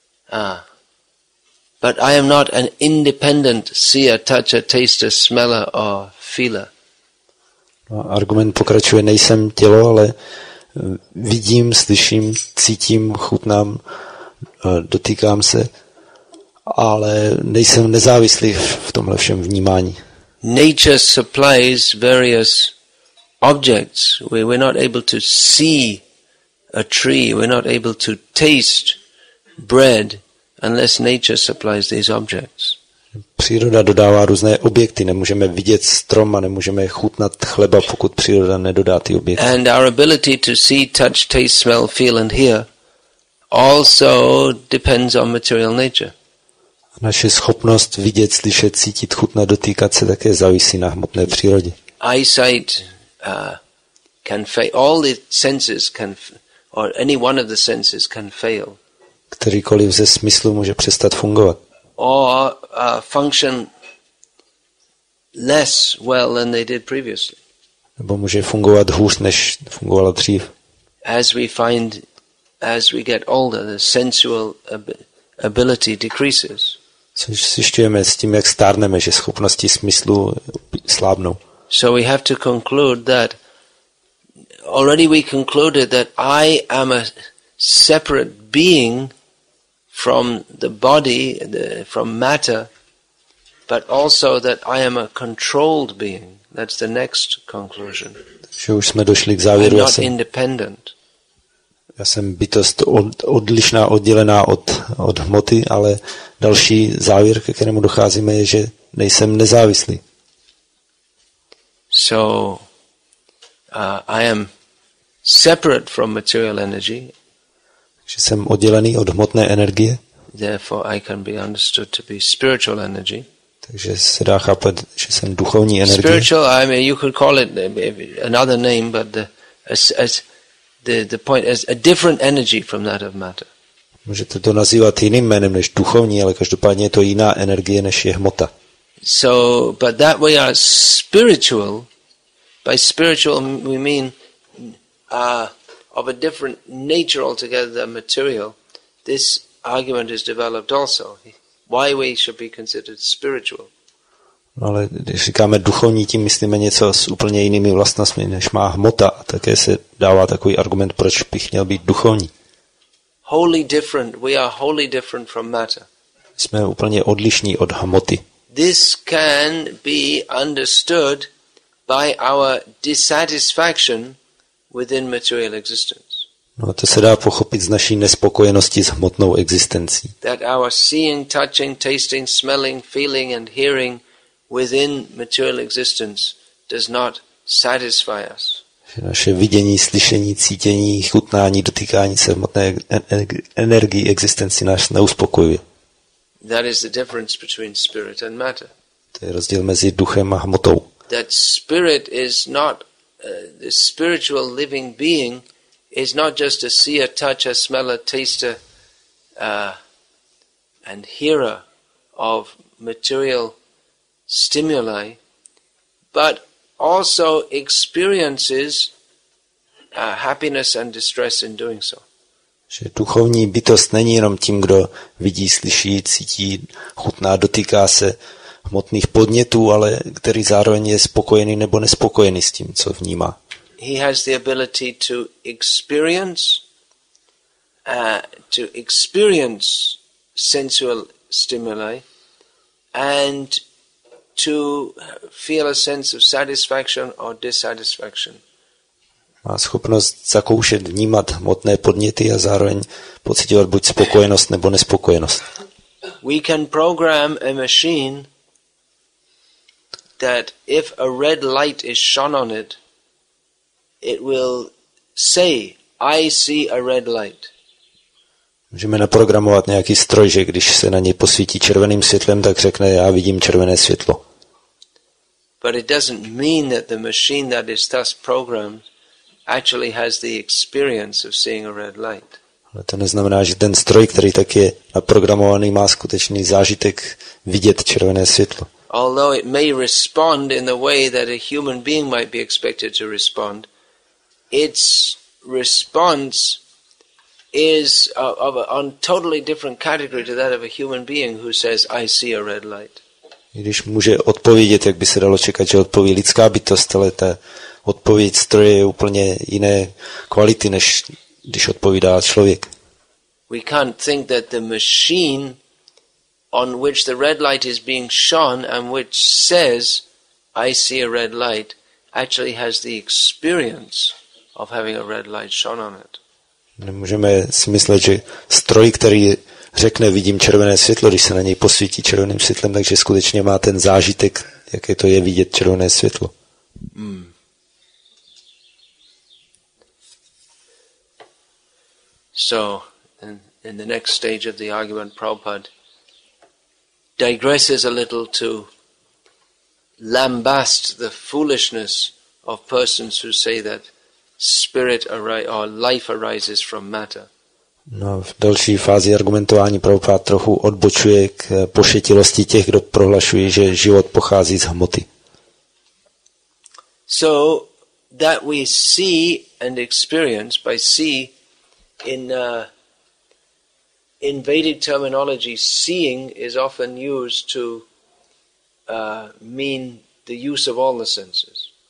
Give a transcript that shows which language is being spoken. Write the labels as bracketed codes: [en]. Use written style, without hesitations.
[en] But I am not an independent seer, toucher, taster, smeller or feeler. [cs] No, argument pokračuje, nejsem tělo, ale vidím, slyším, cítím, chutnám, dotýkám se, ale nejsem nezávislý v tomhle všem vnímání. [en] Nature supplies various objects. We're not able to see a tree, we're not able to taste bread unless nature supplies these objects. [cs] Příroda dodává různé objekty, nemůžeme vidět strom a nemůžeme chutnat chleba, pokud příroda nedodá ty objekty. [en] And our ability to see, touch, taste, smell, feel and hear also depends on material nature. [cs] Naše schopnost vidět, slyšet, cítit, chutnat, dotýkat se také závisí na hmotné přírodě. [en] Eyesight can fail, all the senses can or any one of the senses can fail. [cs] Kterýkoliv ze smyslů může přestat fungovat. [en] Or function less well than they did previously. [cs] Nebo může fungovat hůř, než fungovala dřív. [en] As we find, as we get older, the sensual ability decreases. [cs] Což zjišťujeme s tím, jak stárneme, že schopnosti smyslu slábnou. [en] So we have to conclude that already we concluded that I am a separate being from the body, from matter, but also that I am a controlled being. That's the next conclusion. [cs] Že už jsme došli k závěru. [en] I'm not independent. [cs] Já jsem bytost odlišná, oddělená od hmoty, ale další závěr, ke kterému docházíme, je, že nejsem nezávislý. [en] So I am separate from material energy. [cs] Že jsem oddělený od hmotné energie. [en] Therefore I can be understood to be spiritual energy. [cs] Takže se dá chápat, že jsem duchovní energie. [en] Spiritual, I mean, you could call it another name, but the point is a different energy from that of matter. [cs] Můžete to nazývat jiným jménem než duchovní, ale každopádně je to jiná energie než je hmota. [en] So, but that we are spiritual. By spiritual we mean of a different nature altogether than material. This argument is developed also. Why we should be considered spiritual. [cs] No, ale když říkáme duchovní, tím myslíme něco s úplně jinými vlastnostmi, než má hmota. Také se dává takový argument, proč bych měl být duchovní. [en] Wholly different. We are wholly different from matter. [cs] Jsme úplně odlišní od hmoty. [en] This can be understood by our dissatisfaction within material existence. [cs] No, to se dá pochopit z naší nespokojenosti s hmotnou existencí. [en] That our seeing, touching, tasting, smelling, feeling and hearing within material existence does not satisfy us. [cs] Naše vidění, slyšení, cítění, chutnání, dotýkání se hmotné energie existenci nás neuspokojuje. [en] That is the difference between spirit and matter. [cs] To je rozdíl mezi duchem a hmotou. [en] That spirit is not the spiritual living being is not just a seer, touch, a smeller, taster and hearer of material stimuli, but also experiences happiness and distress in doing so. [cs] Že duchovní bytost není jenom tím, kdo vidí, slyší, cítí, chutná, dotýká se hmotných podnětů, ale který zároveň je spokojený nebo nespokojený s tím, co vnímá. [en] He has the ability to experience sensual stimuli and to feel a sense of satisfaction or dissatisfaction. [cs] Má schopnost zakoušet, vnímat hmotné podněty a zároveň pocitovat buď spokojenost nebo nespokojenost. [en] We can program a machine that if a red light is shone on it, it will say, I see a red light. [cs] Můžeme naprogramovat nějaký stroj, že když se na něj posvítí červeným světlem, tak řekne, já vidím červené světlo. [en] But it doesn't mean that the machine that is thus programmed actually has the experience of seeing a red light. [cs] Ale to neznamená, že ten stroj, který tak je naprogramovaný, má skutečný zážitek vidět červené světlo. [en] Although it may respond in the way that a human being might be expected to respond, its response is on totally different category to that of a human being who says, I see a red light. [cs] Když může odpovědět, jak by se dalo čekat, že odpoví lidská bytost, ale ta odpověď stroje je úplně jiné kvality, než když odpovídá člověk. [en] We can't think that the machine on which the red light is being shone and which says, I see a red light, actually has the experience of having a red light shone on it. [cs] Nemůžeme si myslet, že stroj, který řekne, vidím červené světlo, když se na něj posvítí červeným světlem, takže skutečně má ten zážitek, jaké to je vidět červené světlo. [en] So, in the next stage of the argument, Prabhupada digresses a little to lambast the foolishness of persons who say that spirit or life arises from matter. [cs] No, v další fázi argumentování Prabhupada trochu odbočuje k pošetilosti těch, kdo prohlašují, že život pochází z hmoty. [en] So that we see and experience by see in Vedic terminology, seeing is often used to mean the use of all the senses.